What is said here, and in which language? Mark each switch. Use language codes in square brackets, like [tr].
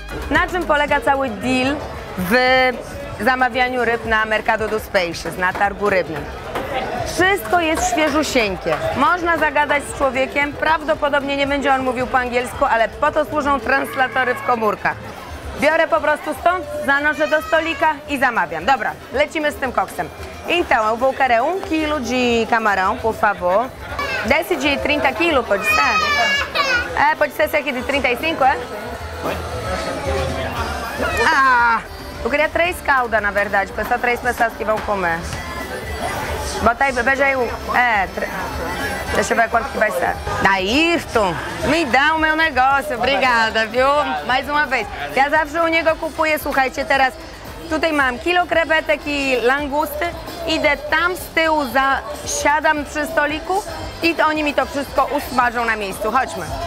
[pl] Na czym polega cały deal w zamawianiu ryb na Mercado dos Peixes, na targu rybnym? Wszystko jest świeżusieńkie. Można zagadać z człowiekiem, prawdopodobnie nie będzie on mówił po angielsku, ale po to służą translatory w komórkach. Biorę po prostu stąd, zanoszę do stolika i zamawiam. Dobra, lecimy z tym koksem. [pt] Então, eu vou querer 1 kg de camarão, por favor. Desce de 30 kg, pode ser? Pode ser esse aqui de 35, é? Ah, eu queria 3 calda, na verdade, porque são 3 pessoas que vão comer. Bota aí, veja aí o... deixa eu ver quanto que vai ser. Dairton, me dá o meu negócio, obrigada, viu? Mais uma vez. [pl] Ja zawsze u niego kupuję, słuchajcie, teraz tutaj mam kilo krewetek i langusty, idę tam z tyłu, siadam przy stoliku i oni mi to wszystko usmażą na miejscu, chodźmy.